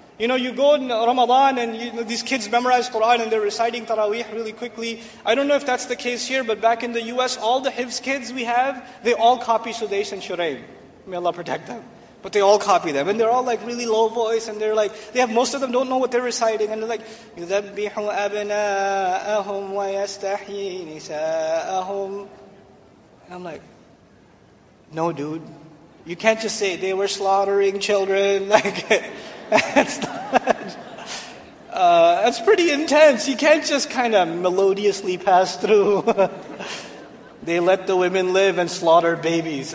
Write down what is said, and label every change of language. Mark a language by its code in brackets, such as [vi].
[en] You know, you go in Ramadan and these kids memorize Quran and they're reciting Taraweeh really quickly. I don't know if that's the case here, but back in the US, all the Hifz kids we have, they all copy Sudais and Shuraim. May Allah protect them. But they all copy them. And they're all like really low voice. And they're like, they have, most of them don't know what they're reciting. [ar] And they're like, يُذَبِّحُ أَبْنَاءَهُمْ وَيَسْتَحْيِي نِسَاءَهُمْ. [en] And I'm like, no, dude. You can't just say, they were slaughtering children. Like, that's pretty intense. You can't just kind of melodiously pass through. They let the women live and slaughter babies.